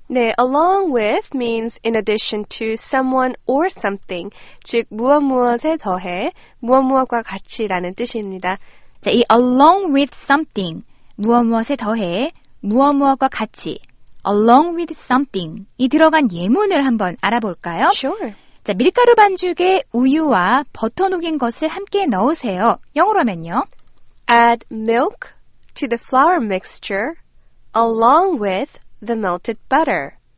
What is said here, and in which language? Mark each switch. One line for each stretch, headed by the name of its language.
English: 네, along with means in addition to someone or something.
Korean: 즉, 무엇무엇에 더해, 무엇무엇과 같이 라는 뜻입니다. 자, 이
English: along with something,
Korean: 무엇무엇에 더해, 무엇무엇과 같이 along with something 이 들어간 예문을 한번 알아볼까요?
English: Sure.
Korean: 자, 밀가루 반죽에 우유와 버터 녹인 것을 함께 넣으세요. 영어로 하면요.
English: Add milk to the flour mixture along with the melted butter.